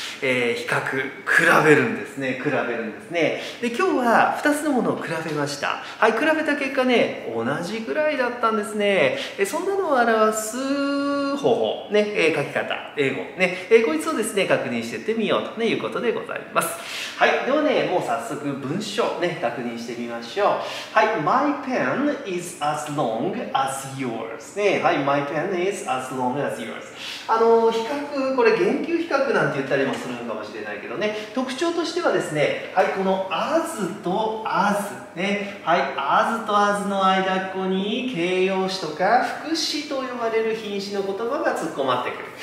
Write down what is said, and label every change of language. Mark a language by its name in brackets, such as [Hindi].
[Japanese] 比較、比べるんですね。で、今日は2つのものを比べました。はい、比べた結果ね、同じぐらいだったんですね。そんなのを表す方法ね、書き方、英語ね、こいつをですね、確認していってみようということでございます。はい、ではね、もう早速文章ね、確認してみましょう。 [English] はい、 My pen is as long as yours ね。はい、 My pen is as long as yours。 [Japanese] 比較、これ言及比較なんて言ったりもするかもしれないけどね、特徴としてはですね、はい、この as と as ね、はい、as と as の間っこに形容詞とか副詞と呼ばれる品詞の言葉が突っ込まってくる。